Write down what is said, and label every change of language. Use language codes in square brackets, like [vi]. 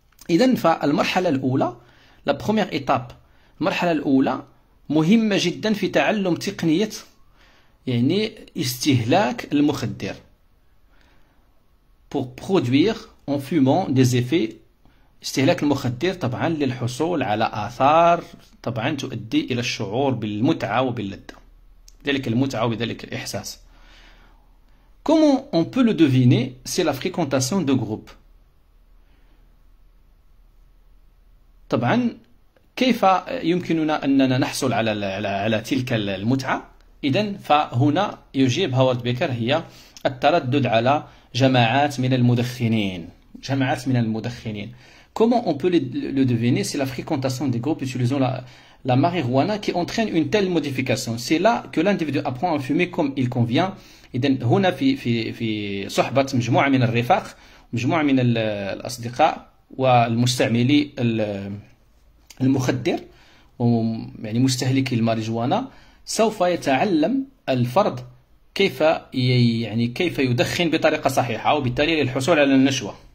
[ar] إذن فالمرحلة الأولى، [fr] la première étape، [ar] المرحلة الأولى مهمة جدا في تعلم تقنية يعني استهلاك المخدر، [fr] pour produire en fumant des effets، [ar] استهلاك المخدر طبعا للحصول على آثار طبعا تؤدي إلى الشعور بالمتعة وباللذة، ذلك المتعة وبذلك الإحساس. [fr] Comment on peut le deviner? C'est la fréquentation de groupe. [ar] طبعا كيف يمكننا أننا نحصل على تلك المتعة؟ إذن فهنا يجيب هوارد بيكر، هي التردد على جماعات من المدخنين، جماعات من المدخنين. [fr] Comment on peut le deviner? C'est la fréquentation des groupes utilisant la marijuana qui entraîne une telle modification. C'est là que l'individu apprend à fumer comme il convient. Et donc, [ar] هنا في صحبة مجموعة من الرفاق، مجموعة من الأصدقاء والمستعملي المخدر، يعني مستهلكي الماريجوانا، سوف يتعلم الفرد كيف يعني كيف يدخن بطريقة صحيحة، وبالتالي للحصول على النشوة.